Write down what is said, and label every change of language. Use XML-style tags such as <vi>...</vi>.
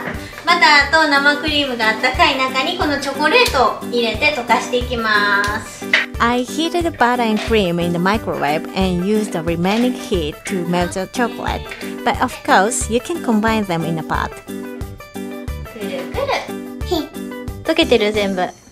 <ja>あった、バターと生クリームがあったかい中にこのチョコレートを入れて溶かしていきます。</ja> <en>I heated the butter and cream in the microwave and used the remaining heat to melt the chocolate. But of course, you can combine them in a pot.</en> <ja>くるくる。溶けてる全部。</ja>